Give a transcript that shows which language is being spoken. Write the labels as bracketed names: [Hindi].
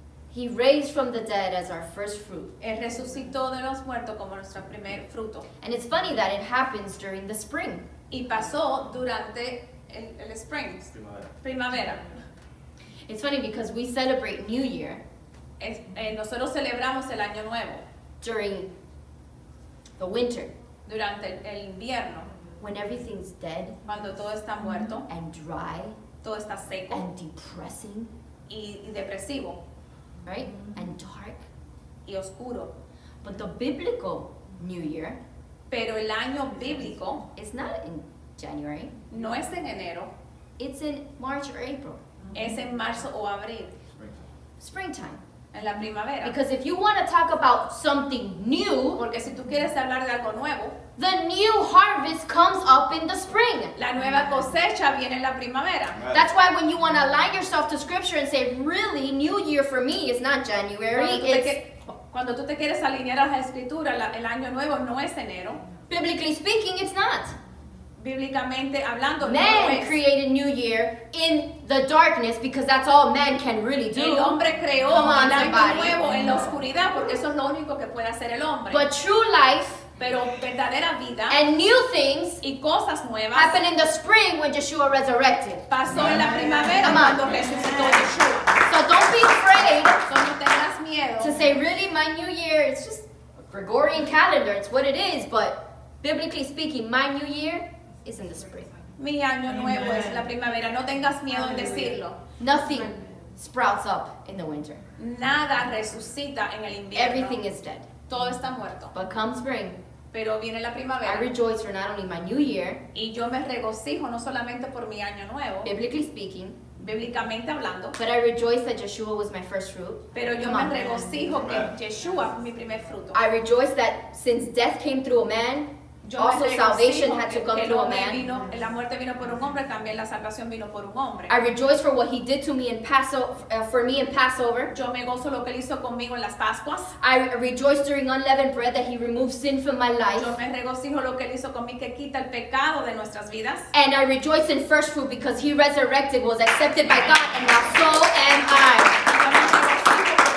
[English] He raised from the dead as our first fruit. [Spanish] Él resucitó de los muertos como nuestro primer fruto. [English] And it's funny that it happens during the spring. [Spanish] Y pasó durante el [English] spring. [Spanish] Primavera. [English] It's funny because we celebrate New Year. [Spanish] Nosotros celebramos el año nuevo. [English] During the winter. [Spanish] Durante el invierno. [English] When everything's dead, [Spanish] cuando todo está muerto, [English] and dry, [Spanish] todo está seco, [English] and depressing, [Spanish] y depresivo, [English] right, and dark, [Spanish] y oscuro, [English] but the biblical New Year, [Spanish] pero el año bíblico, [English] is not in January, [Spanish] no es en enero, [English] it's in March or April, [Spanish] es en marzo o abril, [English] springtime. [Spanish] En la primavera. [English] Because if you want to talk about something new, [Spanish] porque si tú quieres hablar de algo nuevo. [English] The new harvest comes up in the spring. [Spanish] La nueva cosecha viene en la primavera. [English] Right. That's why when you want to align yourself to scripture and say, really, New Year for me is not January. [Spanish] Cuando tú te quieres alinear a la escritura, el año nuevo no es enero. [English] Biblically speaking, it's not. [Spanish] Bíblicamente hablando, [English] men [Spanish] no es. [English] Created New Year in the darkness because that's all men can really do. [Spanish] El hombre creó el año nuevo en la oscuridad porque eso es lo único que puede hacer el hombre. [English] But true life. [Spanish] Pero verdadera vida [English] and new things [Spanish] y cosas nuevas [English] happen in the spring when Yeshua resurrected. [Spanish] Pasó en la primavera cuando resucitó Yeshua. [English] So don't be afraid. [Spanish] So no tengas miedo. [English] To say, really, my New Year, it's just a Gregorian calendar. It's what it is. But biblically speaking, my New Year is in the spring. [Spanish] Mi año nuevo es la primavera. No tengas miedo en decirlo. [English] Nothing sprouts up in the winter. [Spanish] Nada resucita en el invierno. [English] Everything is dead. [Spanish] Todo está muerto. [English] But come spring. [Spanish] Pero viene la primavera. [English] I rejoice for not only my new year. [Spanish] Y yo me regocijo no solamente por mi año nuevo. [English] Biblically speaking. [Spanish] Bíblicamente hablando. [English] But I rejoice that Yeshua was my first fruit. [Spanish] Pero yo me regocijo que Yeshua fue mi primer fruto. [English] I rejoice that since death came through a man, [Spanish] yo [English] also salvation had to come through a man. [Spanish] Vino, la muerte vino por un hombre, también la salvación vino por un hombre. [English] I rejoice for what he did to me in for me in Passover. [Spanish] Yo me gozo lo que él hizo conmigo en las Pascuas. [English] I rejoice during unleavened bread that he removed sin from my life. [Spanish] Yo me regocijo lo que él hizo conmigo que quita el pecado de nuestras vidas. [English] And I rejoice in first fruit because he resurrected, was accepted by God, and now so am I.